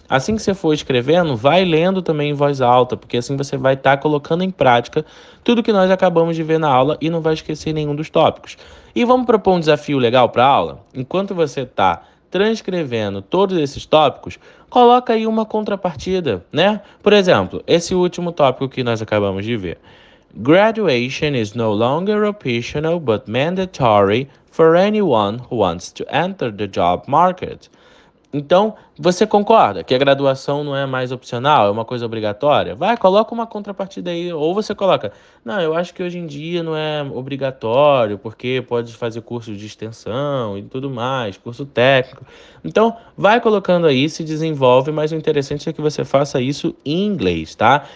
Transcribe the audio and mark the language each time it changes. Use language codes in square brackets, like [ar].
[pt] Assim que você for escrevendo, vai lendo também em voz alta, porque assim você vai estar colocando em prática tudo que nós acabamos de ver na aula e não vai esquecer nenhum dos tópicos. E vamos propor um desafio legal para a aula? Enquanto você está transcrevendo todos esses tópicos, coloca aí uma contrapartida, né? Por exemplo, esse último tópico que nós acabamos de ver. [en] Graduation is no longer optional, but mandatory for anyone who wants to enter the job market. [pt] Então, você concorda que a graduação não é mais opcional, é uma coisa obrigatória? Vai, coloca uma contrapartida aí. Ou você coloca, não, eu acho que hoje em dia não é obrigatório, porque pode fazer curso de extensão e tudo mais, curso técnico. Então, vai colocando aí, se desenvolve, mas o interessante é que você faça isso em inglês, tá?